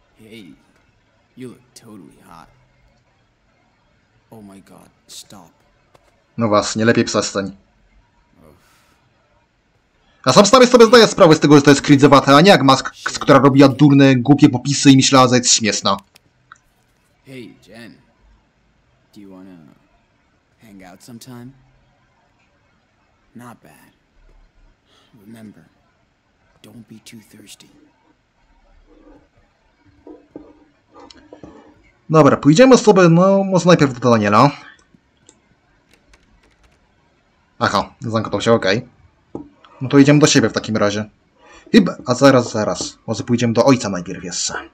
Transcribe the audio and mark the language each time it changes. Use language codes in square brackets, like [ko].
[en] Hey, you look totally hot. Oh my god, stop. [pl] No właśnie, lepiej przestań. A sam stary sobie zdaje sprawę z tego, że to jest krydzowate, a nie jak mask, która robiła durne, głupie popisy i myślała, że jest śmieszna. [en] Hey Jen, do you wanna hang out sometime? Not bad. Remember, don't be too thirsty. [pl] Dobra, pójdziemy sobie, no może najpierw do Daniela. Aha, zamknął się, okej. No to idziemy do siebie w takim razie. Chyba, a zaraz. Może pójdziemy do ojca najpierw jeszcze.